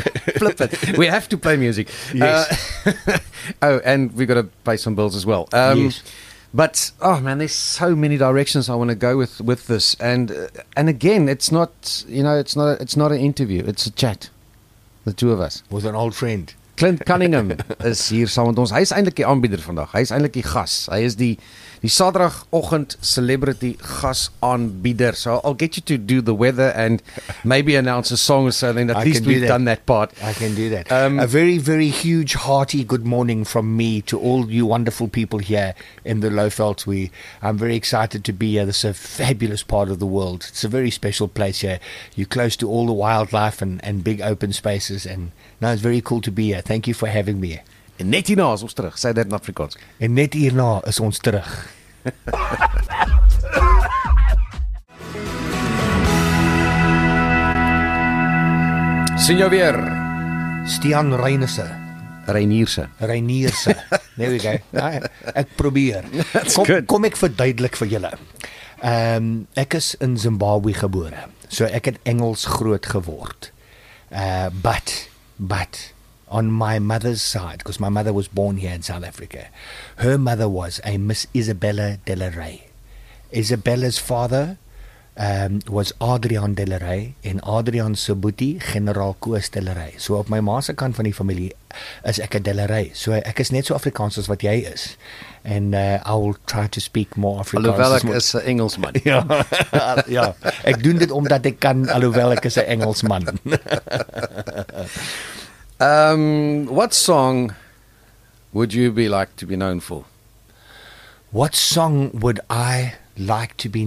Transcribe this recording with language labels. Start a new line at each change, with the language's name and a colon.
English: Flip it. We have to play music. Yes. and we've got to pay some bills as well. Yes. But, oh man, there's so many directions I want to go with this. And again, it's not an interview. It's a chat. The two of us. With an old friend.
Afrikaans: Clint Cunningham is hier saam met ons. Hy is eintlik die aanbieder vandag. Hy is eintlik die gas. Hy is die Saterdagoggend celebrity gas aanbieder.
English: So I'll get you to do the weather and maybe announce a song or something. At least we've done that part. I can do that. A very, very huge, hearty good morning from me to all you wonderful people here in the Lowveld. I'm very excited to be here. This is a fabulous part of the world. It's a very special place here. You're close to all the wildlife and big open spaces. And no, it's very cool to be here. Thank you for having me.
Afrikaans: En net hierna is ons terug, sê dit in Afrikaans. En net hierna is ons terug. Signor weer. Stian Reynese. Reynierse.
English: Reynierse. There we go.
Afrikaans: Ek probeer.
English: That's
Afrikaans: kom,
English: good.
Afrikaans: Kom ek verduidelik vir julle. Ek is in Zimbabwe gebore, so ek het Engels groot geword.
English: But... On my mother's side, because my mother was born here in South Africa, her mother was a Miss Isabella de la Rey. Isabella's father was Adrian de la Rey, en Adrian Sobuti, General Koos de la Rey. So op my ma se kant van die familie is ek a de la Rey. So ek is net so Afrikaans as wat jy is. And I will try to speak more Afrikaans.
Afrikaans: Alhoewel ek is een Engelsman. Ja. Ja, ek doen dit omdat ek kan, alhoewel ek is een Engelsman.
English: What song would you be like to be known for? What song would I like to be